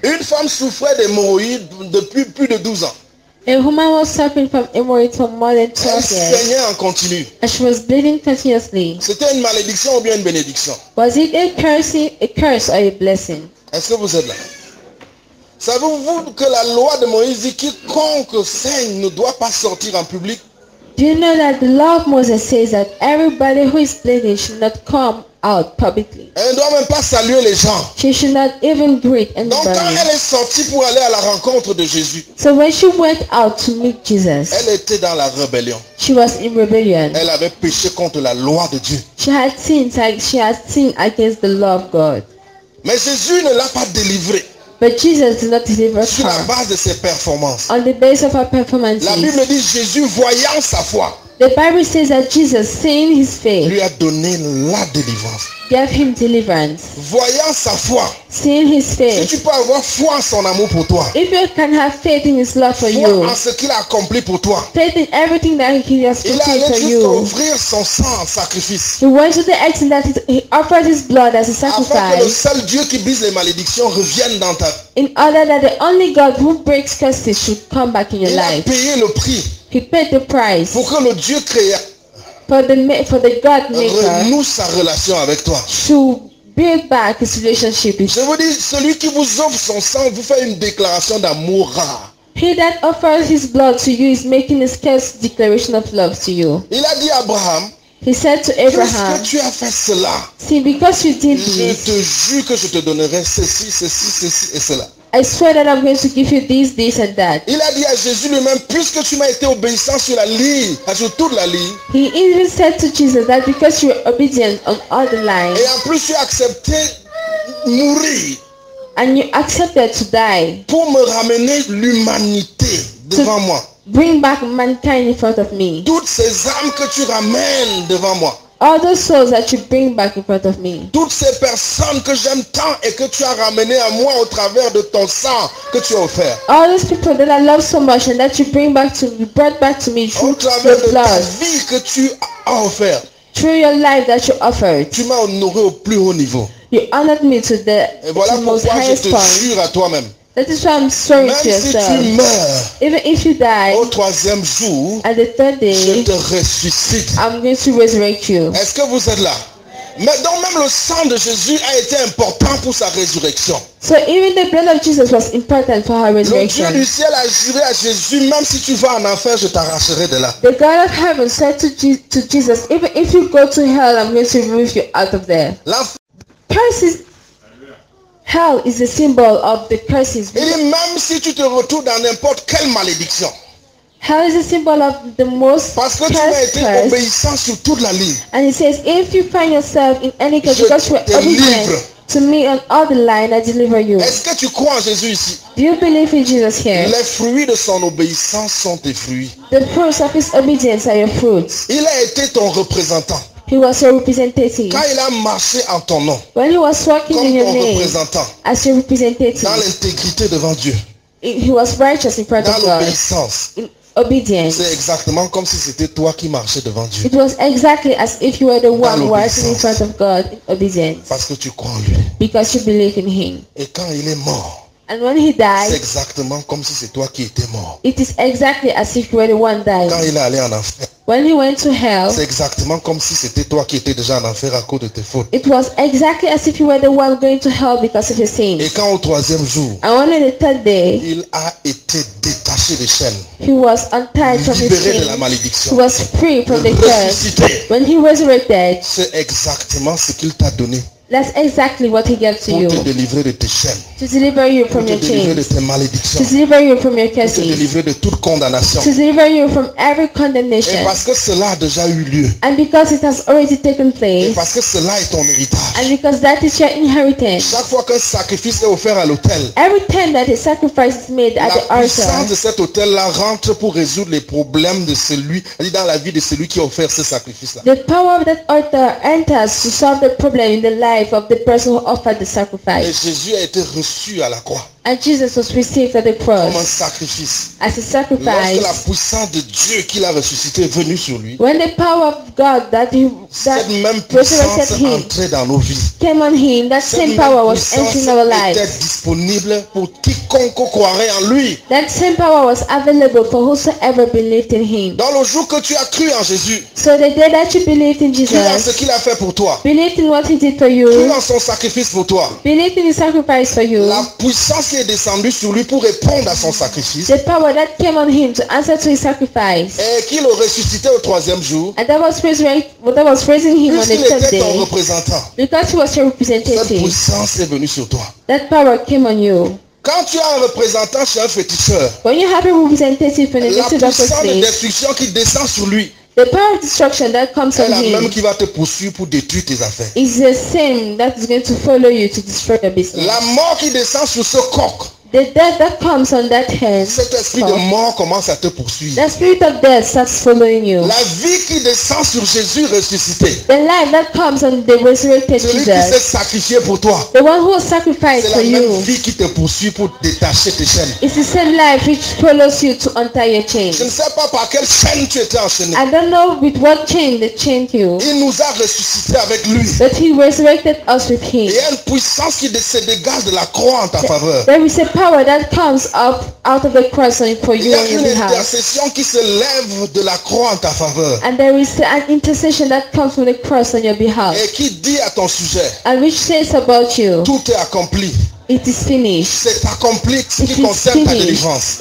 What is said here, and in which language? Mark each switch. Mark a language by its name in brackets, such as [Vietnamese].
[French] Une femme souffrait d'hémorroïdes depuis plus de 12 ans. [English] A woman was suffering from hémorroïdes for more than 12 years. [French] Elle saignait en continu. [English] And she was bleeding continuously. [French] C'était une malédiction ou bien une bénédiction? [English] Was it a curse or a blessing? [French] Est-ce que vous êtes là? Savez-vous que la loi de Moïse dit quiconque saigne ne doit pas sortir en public? [English] Do you know that the law of Moses says that everybody who is bleeding should not come out publicly? [French] Elle ne doit même pas saluer les gens. [English] She should not even greet anybody. [French] Donc quand elle est sortie pour aller à la rencontre de Jésus, [English] so when she went out to meet Jesus, [French] elle était dans la rébellion. [English] She was in rebellion. [French] Elle avait péché contre la loi de Dieu. [English] She had sinned against the law of God. [French] Mais Jésus ne l'a pas délivrée. [English] But Jesus did not deliver [French] sur la base de ses performances. [English] On the base of her performances. [French] La Bible dit Jésus voyant sa foi. [English] The Bible says that Jesus seeing his faith. [French] Lui a donné la délivrance. [English] Gave him deliverance. [French] Voyant sa foi. [English] Seeing his faith. [French] Si tu peux avoir foi en son amour pour toi. [English] If you can have faith in his love for [French] foi [English] you. [French] En ce qu'il a accompli pour toi. [English] Faith in everything that he has [French] il [English] accomplished for you. [French] Il a allé juste offrir son sang en sacrifice. [English] He went to the extent that he offered his blood as a sacrifice. [French] Afin que le seul Dieu qui brise les malédictions revienne dans ta. [English] In order that the only God who breaks curses should come back in your [French] il [English] life. [French] Il a payé le prix. [English] He paid the price. [French] Pour que le Dieu créa. [English] For the God maker, [French] renoue sa relation avec toi. [English] To build back his relationship with you. [French] Je vous dis, celui qui vous offre son sang vous fait une déclaration d'amour rare. [English] He that offers his blood to you is making a scarce declaration of love to you. [French] Il a dit à Abraham. [English] He said to Abraham. [French] Qu'est-ce que tu as fait cela? [English] See, because you did this. [French] Je te jure que je te donnerai ceci, ceci, ceci et cela. [English] I swear that I'm going to give you this, this and that. [French] Il a dit à Jésus lui-même, puisque tu m'as été obéissant sur la ligne, sur toute la ligne. [English] He even said to Jesus that because you're obedient on all the lines. [French] Et en plus tu as accepté mourir. [English] And you accepted to die. [French] Pour me ramener l'humanité devant moi. [English] Bring back mankind in front of me. [French] Toutes ces âmes que tu ramènes devant moi. [English] All the souls that you bring back in front of me. [French] Toutes ces personnes que j'aime tant et que tu as ramené à moi au travers de ton sang que tu as offert. [English] All those people that I love so much and that you bring back to me, brought back to me through your blood. [French] Au travers de ta vie que tu as offert. [English] Through your life that you offered. [French] Tu m'as honoré au plus haut niveau. [English] You honored me to the [French] et voilà [English] to the [French] pourquoi [English] most highest [French] je te jure à toi-même. [English] That is why I'm sorry [French] même [English] to yourself. [French] Si tu meurs, [English] even if you die, [French] au troisième jour, [English] at the third day, [French] je te ressuscite. [English] I'm going to resurrect you. [French] Est-ce que vous êtes là? Mais donc même le sang de Jésus a été important pour sa résurrection. [English] So even the blood of Jesus was important for her resurrection. [French] Le Dieu du ciel a juré à Jésus, même si tu vas en enfer, je t'arracherai de là. [English] The God of heaven said to Jesus, even if you go to hell, I'm going to remove you out of there. Hell is a symbol of the curses. [French] Et même si tu te retrouves dans n'importe quelle malédiction. [English] Hell is a symbol of the most [French] parce que tu as été obéissant sur toute la ligne. [English] And it says, if you find yourself in any case, because you are obedient to me on all the line, I deliver you. [French] Est-ce que tu crois en Jésus ici? [English] Do you believe in Jesus here? [French] Les fruits de son obéissance sont tes fruits. [English] The fruits of his obedience are your fruits. [French] Il a été ton représentant. [English] He was your representative. [French] Quand il a marché en ton nom. [English] When he was walking [French] comme [English] in your [French] ton [English] name, [French] représentant. [English] As your representative. [French] Dans l'intégrité devant Dieu. [English] He was righteous in front [French] dans [English] of God. [French] Dans l'obéissance. [English] In obedience. [French] C'est exactement comme si c'était toi qui marchais devant Dieu. [English] It was exactly as if you were the one walking in front of God in obedience. [French] Parce que tu crois en lui. [English] Because you believe in him. [French] Et quand il est mort. [English] And when he died. [French] C'est exactement comme si c'est toi qui étais mort. [English] It is exactly as if you were the one dying. [French] Quand il est allé en enfer. [English] When he went to hell, [French] c'est exactement comme si c'était toi qui étais déjà en enfer à cause de tes fautes. [English] It was exactly as if you were the one going to hell because of your sins. [French] Et quand au troisième jour, [English] and on the third day, [French] il a été détaché des chaînes. [English] He was untied from his chains. [French] Libéré de la malédiction. [English] He was free from the curse. [French] Ressuscité. [English] When he resurrected, [French] c'est exactement ce qu'il t'a donné. [English] That's exactly what he gave to you. [French] Te délivrer de tes chaînes. [English] To deliver you from your chains. [French] De tes malédictions. [English] To deliver you from your curses. [French] Te délivrer de toute condamnation. [English] To deliver you from every condemnation. [French] Et parce que cela a déjà eu lieu. [English] And because it has already taken place. [French] Et parce que cela est ton héritage. [English] And because that is your inheritance. [French] Chaque fois qu'un sacrifice est offert à l'autel. [English] Every time that a sacrifice is made at the altar. [French] La puissance de cet autel là rentre pour résoudre les problèmes de celui dans la vie de celui qui a offert ce sacrifice là. [English] The power of that altar enters to solve the problem in the life of the person who offered the sacrifice. [French] Et Jésus a été reçu à la croix. [English] And Jesus was received at the cross. [French] Comme un sacrifice. [English] As a sacrifice. [French] Lorsque la puissance de Dieu qui l'a ressuscité est venue sur lui. [English] When the power of God that he that resurrected him [French] dans nos vies. [English] Came on him. That same power was entering our lives. [French] Était disponible pour quiconque croirait en lui. [English] That same power was available for whosoever believed in him. [French] Dans le jour que tu as cru en Jésus. [English] So the day that you believed in Jesus. [French] Crois en ce qu'il a fait pour toi. [English] Believed in what he did for you. [French] Crois en son sacrifice pour toi. [English] Believed in his sacrifice for you. [French] La puissance qui est descendu sur lui pour répondre à son sacrifice. [English] The power that came on him to answer to his sacrifice. [French] Et qui le ressuscitait au troisième jour. [English] And that was raising, him on the third day. [French] Puisqu'il était ton représentant. [English] Because he was your representative. [French] Cette puissance est venue sur toi. [English] That power came on you. [French] Quand tu as un représentant chez un féticheur. [English] When you have a representative for the fetishist. [French] La puissance de destruction qui descend sur lui. [English] The power of destruction that comes on him. [French] La même qui va te poursuivre pour détruire tes affaires. [English] Is the same that is going to follow you to destroy your business. [French] La mort qui descend sur ce coq. [English] The death that comes on that head. [French] Cet esprit de mort commence à te poursuivre. [English] The spirit of death starts following you. [French] La vie qui descend sur Jésus ressuscité. [English] The life that comes on the resurrected [French] Celui [English] Jesus. [French] Celui qui s'est sacrifié pour toi. [English] The one who was sacrificed for you. [French] C'est la même vie qui te poursuit pour détacher tes chaînes. [English] It's the same life which follows you to untie your chains. [French] Je ne sais pas par quelle chaîne tu étais enchaîné. [English] I don't know with what chain they chained you. [French] Il nous a ressuscité avec lui. [English] But he resurrected us with him. [French] Il y a une puissance qui se dégage de la croix en ta faveur. [English] There is a power that comes up out of the cross for you and your house. [French] Il y a une intercession qui se lève de la croix en ta faveur. [English] And there is an intercession that comes from the cross on your behalf. [French] Et qui dit à ton sujet. [English] And which says about you. [French] Tout est accompli. [English] It is finished. [French] C'est accompli ce qui concerne ta délivrance.